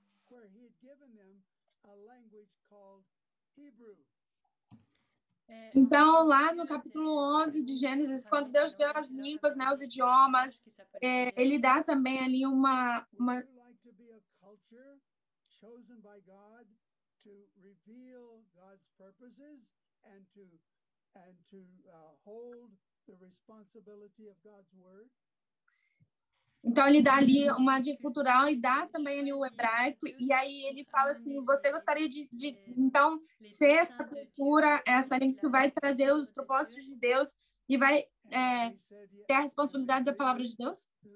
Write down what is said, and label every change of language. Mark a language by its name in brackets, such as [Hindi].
[English] Where he had given them a language called Hebrew. [Portuguese] Então, lá no capítulo 11 de Gênesis, quando Deus deu as línguas, né, os idiomas, ele dá também ali uma... [English] Would you like to be a culture chosen by God to reveal God's purposes and to hold the responsibility of God's word. [Portuguese] Então ele dá ali uma dica cultural e dá também ali o hebraico, e aí ele fala assim, você gostaria de então ser essa cultura, essa língua que vai trazer os propósitos de Deus e vai ter a responsabilidade da palavra de Deus?